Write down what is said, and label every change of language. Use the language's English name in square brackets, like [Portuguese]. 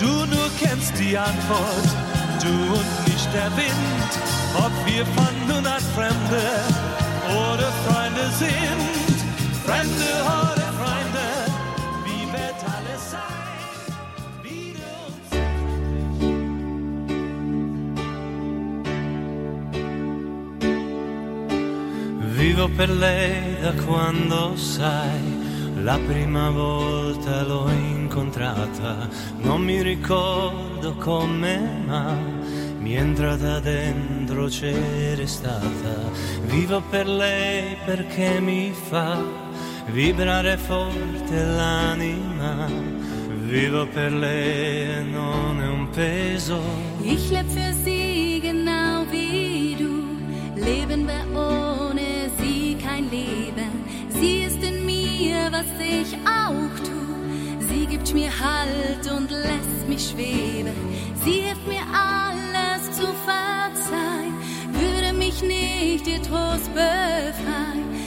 [German] Du nur kennst die Antwort, du und nicht der Wind, ob wir von nun an Fremde oder Freunde sind. Fremde oder Freunde, wie wird alles sein? Wieder unzertrennlich. [Italian] Vivo per lei da quando sai, la prima volta l'ho incontrata, non mi ricordo come ma mi è entrata dentro, c'è restata. Vivo per lei perché mi fa vibrare forte l'anima, vivo per lei e non è un peso. [German] Ich lebe für sie genau wie du, leben wir ohne sie kein Leben. Sie ist in mir, was ich auch tu, sie gibt mir Halt und lässt mich schweben. Sie hilft mir alles zu verzeihen, würde mich nicht ihr Trost befreien.